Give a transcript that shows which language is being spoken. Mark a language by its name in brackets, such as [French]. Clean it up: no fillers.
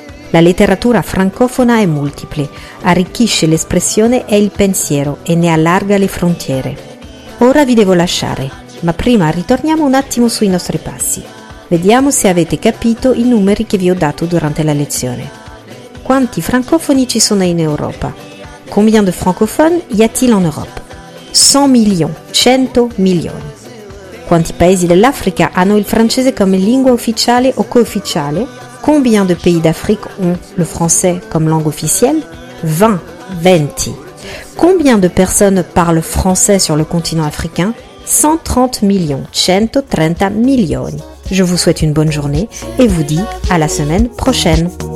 [Italian] La letteratura francofona è multiple, arricchisce l'espressione e il pensiero e ne allarga le frontiere. Ora vi devo lasciare. Ma prima ritorniamo un attimo sui nostri passi. Vediamo se avete capito i numeri che vi ho dato durante la lezione. Quanti francofoni ci sono in Europa? [French] Combien de francophones y a-t-il en Europe? [Italian] 100 milioni, 100 milioni. Quanti paesi dell'Africa hanno il francese come lingua ufficiale o coofficiale? [French] Combien de pays d'Afrique ont le français comme langue officielle? 20, 20. Combien de personnes parlent français sur le continent africain? 130 millions, 130 millions. Je vous souhaite une bonne journée et vous dis à la semaine prochaine.